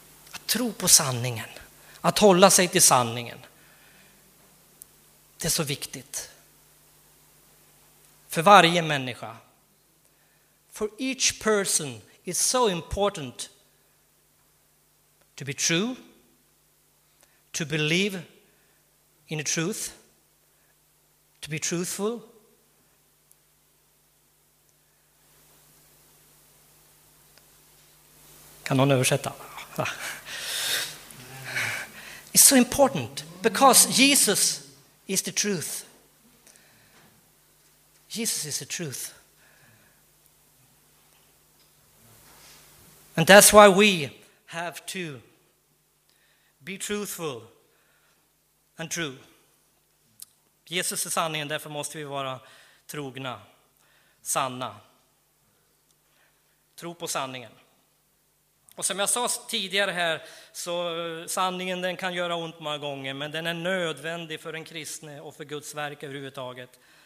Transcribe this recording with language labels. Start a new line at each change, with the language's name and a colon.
Swedish: Att tro på sanningen, att hålla sig till sanningen, det är så viktigt för varje människa.
English: For each person is so important to be true, to believe in the truth, to be truthful. Kan någon översätta? It's so important because Jesus is the truth. Jesus is the truth. And that's why we have to be truthful and true.
Swedish: Jesus är sanningen, därför måste vi vara trogna, sanna. Tro på sanningen. Och som jag sa tidigare här, så sanningen, den kan göra ont många gånger, men den är nödvändig för en kristne och för Guds verk överhuvudtaget.